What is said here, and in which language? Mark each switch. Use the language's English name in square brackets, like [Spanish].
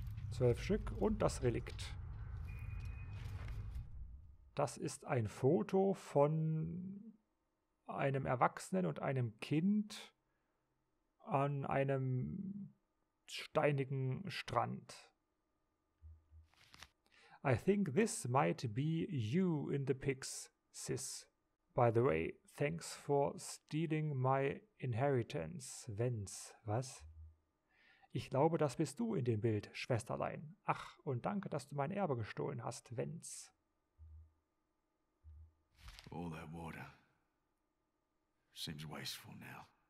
[German] 12 Stück und das Relikt. Das ist ein Foto von einem Erwachsenen und einem Kind an einem steinigen Strand. [English] I think this might be you in the pics, sis. By the way, thanks for stealing my inheritance, Vince. [German] Was? Ich glaube, das bist du in dem Bild, Schwesterlein. Ach, und danke, dass du mein Erbe gestohlen hast, Vince. [English] All that water seems wasteful now.